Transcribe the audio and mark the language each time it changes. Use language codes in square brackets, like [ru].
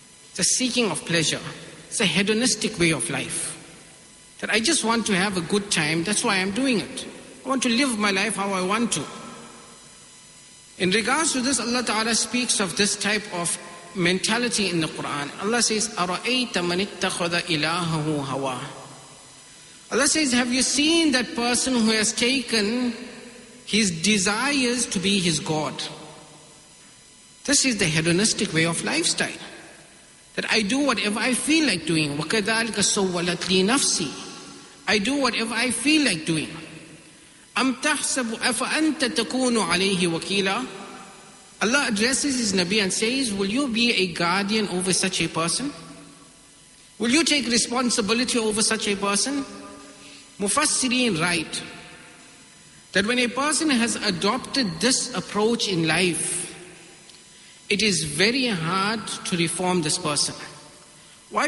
[en] It's a seeking of pleasure. It's a hedonistic way of life. That I just want to have a good time, that's why I'm doing it. I want to live my life how I want to. In regards to this, Allah Ta'ala speaks of this type of mentality in the Quran. Allah says, [ar] أَرَأَيْتَ مَنِ اتَّخَذَ إِلَاهَهُ هَوَى. [en] Allah says, have you seen that person who has taken his desires to be his God? This is the hedonistic way of lifestyle. That I do whatever I feel like doing. [ar] وَكَذَلِكَ سَوَّلَتْ لِي نَفْسِي. [en] I do whatever I feel like doing. [ar] أَمْ تَحْسَبُ أَفَأَنْتَ تَكُونُ عَلَيْهِ وَكِيلًا. [en] Allah addresses his Nabi and says, will you be a guardian over such a person? Will you take responsibility over such a person? Mufassirin write that when a person has adopted this approach in life, it is very hard to reform this person. Why?